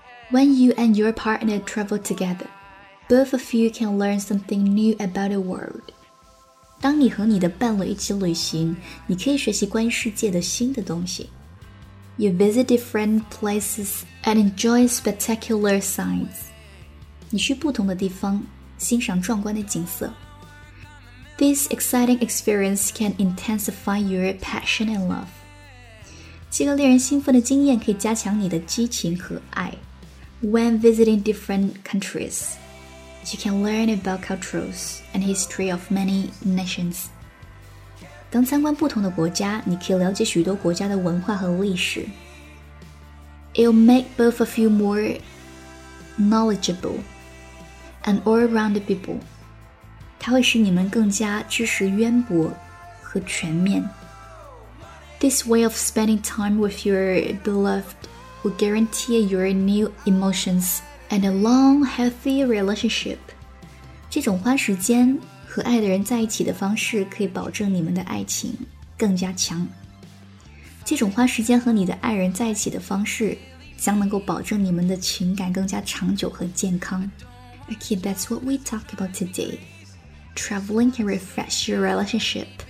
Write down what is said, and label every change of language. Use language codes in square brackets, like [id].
[en] When you and your partner travel together， both of you can learn something new about the world。 [zh] 当你和你的伴侣一起旅行，你可以学习关于世界的新的东西。 [en] You visit different places and enjoy spectacular sights. [zh] 你去不同的地方，欣赏壮观的景色。 [en] This exciting experience can intensify your passion and love. [zh] 这个令人兴奋的经验可以加强你的激情和爱。 [en] When visiting different countries,You can learn about cultures and history of many nations. [zh] 当参观不同的国家，你可以了解许多国家的文化和历史。 [en] It'll make both of you more knowledgeable and all-round people. [zh] 它会使你们更加知识渊博和全面。 [en] This way of spending time with your beloved will guarantee your new emotions and a long, healthy relationship. [zh] 这种花时间和爱的人在一起的方式可以保证你们的爱情更加强。这种花时间和你的爱人在一起的方式将能够保证你们的情感更加长久和健康。 [en] Okay, that's what we talk about today. Traveling can refresh your relationship.